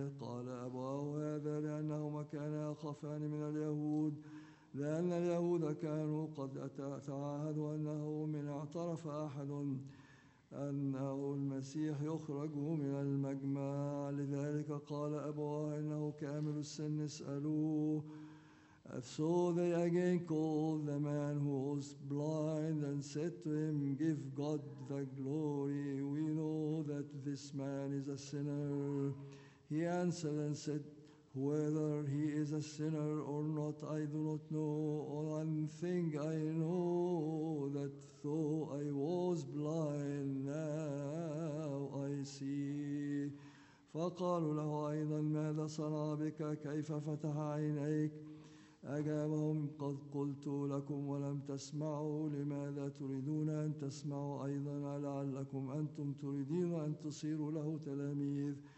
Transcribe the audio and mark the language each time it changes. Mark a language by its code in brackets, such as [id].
[ar] قال أبواه هذا لأنهما كانا يخافان من اليهود لأن اليهود كانوا قد تعاهدوا أنه من اعترف أحد أنه المسيح يخرج من المجمع. لذلك قال أبواه إنه كامل السن اسألوه. [en] So they again called the man who was blind and said to him, give God the glory. We know that this man is a sinner. He answered and said, whether he is a sinner or not, I do not know. One thing I know, that though I was blind, now I see. [ar] فقالوا له أيضا ماذا صنع بك؟ كيف فتح عينيك؟ أجابهم قد قلت لكم ولم تسمعوا لماذا تريدون أن تسمعوا أيضا؟ لعلكم أنتم تريدون أن تصيروا له تلاميذ.